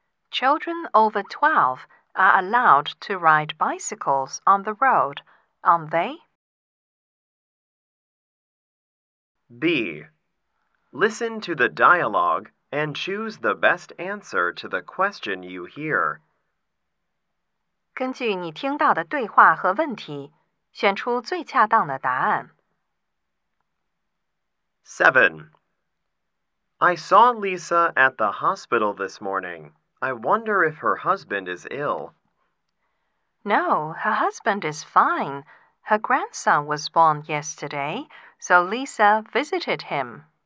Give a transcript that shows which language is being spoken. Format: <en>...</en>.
<en>Children over 12 are allowed to ride bicycles on the road, aren't they? B. Listen to the dialogue and choose the best answer to the question you hear.</en> <zh>根据你听到的对话和问题，选出最恰当的答案。</zh> <en>7. I saw Lisa at the hospital this morning. I wonder if her husband is ill. No, her husband is fine. Her grandson was born yesterday, so Lisa visited him.</en>